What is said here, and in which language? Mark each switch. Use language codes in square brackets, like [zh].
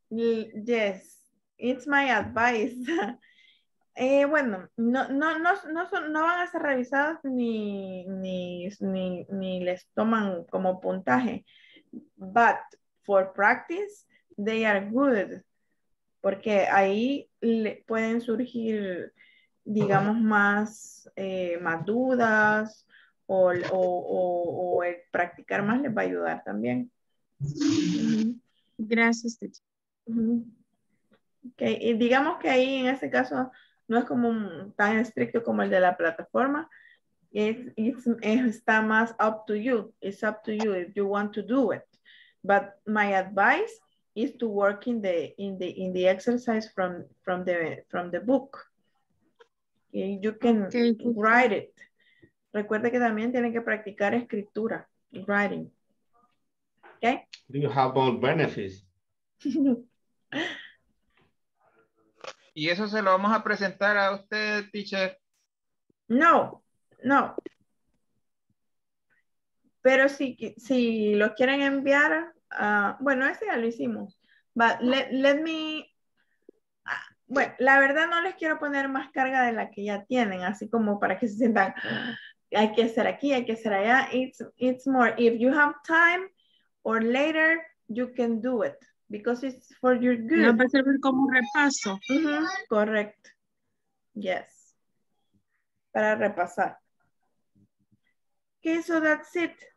[en] Yes, it's my advice. [es] bueno, no van a ser revisados ni les toman como puntaje, [en] but for practice they are good, [es] porque ahí pueden surgir, digamos, más dudas o el practicar más les va a ayudar también. Gracias, teacher. Okay. Y digamos que ahí en este caso no es como tan estricto como el de la plataforma. Está más [en] up to you. It's up to you if you want to do it. But my advice is to work in the exercise from the book. You can write it. [es] Recuerde que también tienen que practicar escritura, writing. [en] Okay? Do you have all benefits? [es] ¿Y eso se lo vamos a presentar a usted, teacher? No. Pero si lo quieren enviar, bueno, ese ya lo hicimos. [en] But let me... [es] la verdad no les quiero poner más carga de la que ya tienen, así como para que se sientan, hay que hacer aquí, hay que hacer allá. [en] It's more, if you have time or later, you can do it. Because it's for your good. [es] No va a servir como repaso. [en] Uh-huh. Correct. Yes. [es] Para repasar. [en] Okay, so that's it.